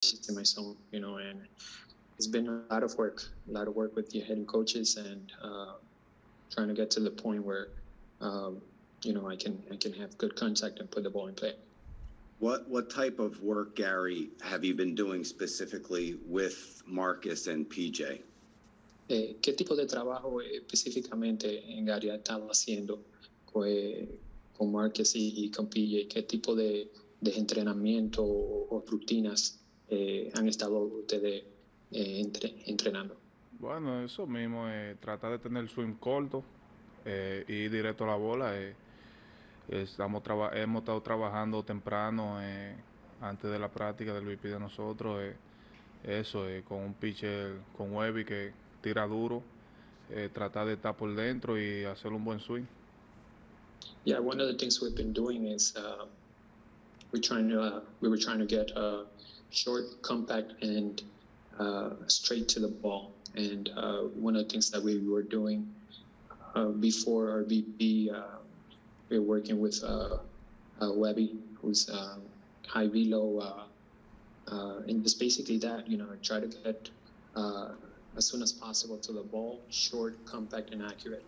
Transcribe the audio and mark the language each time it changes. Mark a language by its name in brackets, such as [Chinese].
[English] to myself, you know, and it's been a lot of work with the head coaches and trying to get to the point where, you know, I can have good contact and put the ball in play. What type of work, Gary, have you been doing specifically with Marcus and PJ? [Spanish] ¿Qué tipo de trabajo específicamente en Gary estaba haciendo con Marcus y con PJ? ¿Qué tipo de entrenamiento o rutinas han estado ustedes entrenando? Bueno, eso mismo, tratar de tener el swing corto y ir directo a la bola. Hemos estado trabajando temprano antes de la práctica del BP de nosotros. Con un pitcher con Webby que tira duro, tratar de estar por dentro y hacer un buen swing. [English] Yeah, one of the things we've been doing is we were trying to get a short, compact, and straight to the ball. And one of the things that we were doing before our BP, we're working with Webby, who's high velo, and just basically that, you know, try to get as soon as possible to the ball, short, compact, and accurate.